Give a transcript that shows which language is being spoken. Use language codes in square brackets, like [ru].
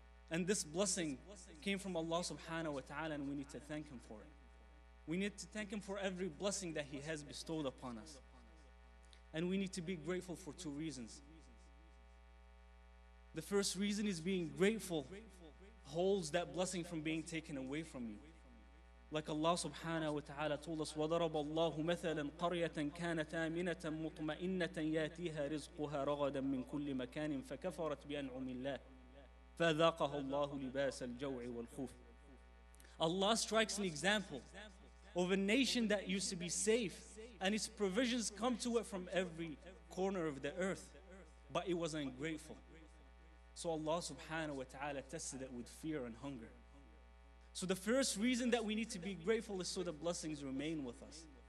[en] And this blessing came from Allah subhanahu wa ta'ala, and we need to thank him for it. We need to thank him for every blessing that he has bestowed upon us. And we need to be grateful for two reasons. The first reason is being grateful holds that blessing from being taken away from you. Like Allah subhanahu wa ta'ala told us, [ar] وَضَرَبَ اللَّهُ مَثَلًا قَرْيَةً كَانَتْ آمِنَةً مُطْمَئِنَّةً يَأْتِيهَا رِزْقُهَا رَغَدًا مِّن كُلِّ مَكَانٍ فَكَفَرَتْ بِأَنْعُمِ اللَّهِ فَذَاقَهَا اللَّهُ لِبَاسَ الْجَوْعِ وَالْخُوفِ. [en] Allah strikes an example of a nation that used to be safe and its provisions come to it from every corner of the earth, but it wasn't grateful. So Allah subhanahu wa ta'ala tested it with fear and hunger. So the first reason that we need to be grateful is so the blessings remain with us.